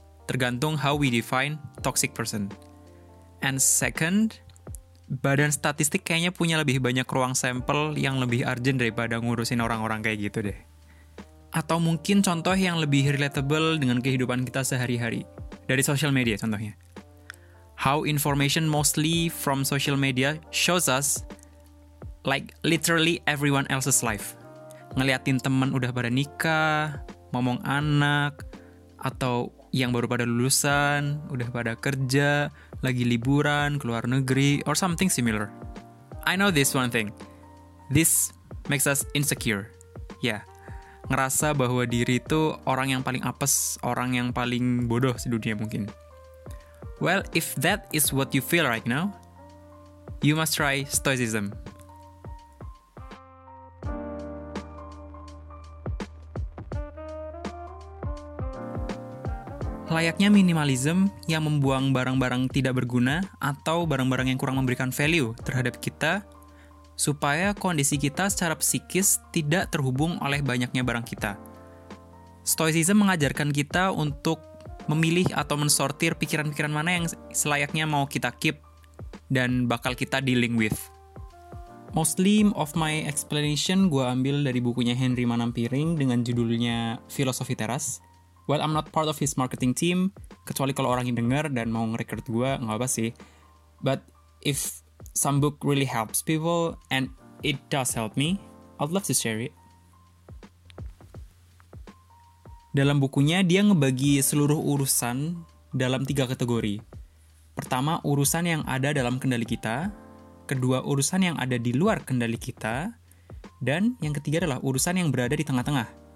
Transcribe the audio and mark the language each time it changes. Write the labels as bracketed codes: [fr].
[id] Tergantung [en] how we define toxic person. [id] And second, badan statistik kayaknya punya lebih banyak ruang sampel yang lebih urgent daripada ngurusin orang-orang kayak gitu deh. Atau mungkin contoh yang lebih relatable dengan kehidupan kita sehari-hari. Dari social media contohnya. [en] How information mostly from social media shows us like literally everyone else's life. [id] Ngeliatin teman udah pada nikah, ngomong anak, atau yang baru pada lulusan, udah pada kerja, lagi liburan, ke luar negeri, [en] or something similar. I know this one thing. This makes us insecure. Yeah. [id] Ngerasa bahwa diri itu orang yang paling apes, orang yang paling bodoh di dunia mungkin. [en] Well, if that is what you feel right now, you must try Stoicism. [id] Layaknya minimalism yang membuang barang-barang tidak berguna atau barang-barang yang kurang memberikan value terhadap kita supaya kondisi kita secara psikis tidak terhubung oleh banyaknya barang kita. Stoicism mengajarkan kita untuk memilih atau mensortir pikiran-pikiran mana yang selayaknya mau kita keep dan bakal kita dealing with. [en] Mostly of my explanation [id] gue ambil dari bukunya Henry Manampiring dengan judulnya Philosophy Teras. [en] Well, I'm not part of his marketing team, [id] kecuali kalau orang yang dengar dan mau nge-record gue, nggak apa sih. [en] But if some book really helps people, and it does help me, I'd love to share it. [id] Dalam bukunya, dia ngebagi seluruh urusan dalam 3 kategori. Pertama, urusan yang ada dalam kendali kita. Kedua, urusan yang ada di luar kendali kita. Dan yang ketiga adalah urusan yang berada di tengah-tengah.